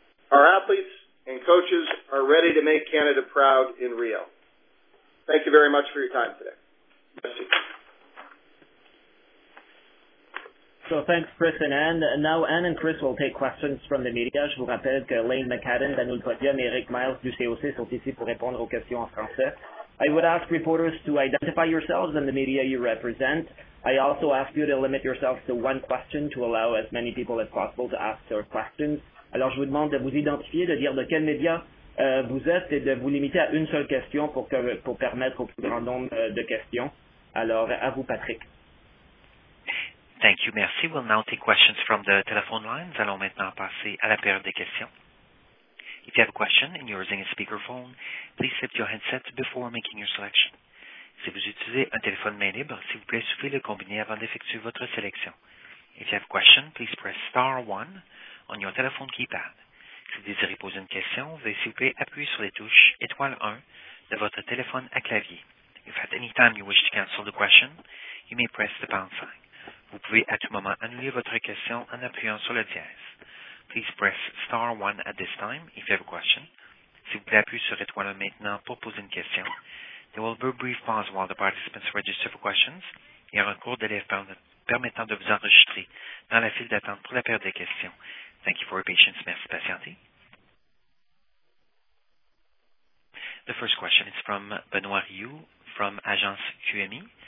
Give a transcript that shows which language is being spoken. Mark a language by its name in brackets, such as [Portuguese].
[English] Our athletes and coaches are ready to make Canada proud in Rio. Thank you very much for your time today. [French] Merci. [English] So thanks, Chris and Anne. Now Anne and Chris will take questions from the media. [French] Je vous rappelle que Lane McCadden, Daniel Podium et Eric Miles du COC sont ici pour répondre aux questions en français. [English] I would ask reporters to identify yourselves and the media you represent. I also ask you to limit yourselves to 1 question to allow as many people as possible to ask their questions. [French] Alors je vous demande de vous identifier, de dire de quel média vous êtes et de vous limiter à une seule question pour permettre au plus grand nombre de questions. Alors à vous, Patrick. [English] Thank you, [French] merci. [English] We'll now take questions from the telephone lines. [French] Allons maintenant passer à la période des questions. [English] If you have a question and you're using a speakerphone, please lift your handset before making your selection. [French] Si vous utilisez un téléphone main libre, s'il vous plaît, soufflez le combiné avant d'effectuer votre sélection. [English] If you have a question, please press *1 on your telephone keypad. [French] Si vous désirez poser une question, veuillez s'il vous plaît appuyer sur les touches *1 de votre téléphone à clavier. [English] If at any time you wish to cancel the question, you may press the *5. [French] Vous pouvez à tout moment annuler votre question en appuyant sur le dièse. [English] Please press *1 at this time if you have a question. [French] S'il vous plaît, appuyez sur étoile maintenant pour poser une question. [English] There will be a brief pause while the participants register for questions. [French] Il y aura un court délai permettant de vous enregistrer dans la file d'attente pour la période des questions. [English] Thank you for your patience. [French] Merci de patienter. [English] The first question is from Benoît Rioux from Agence QMI.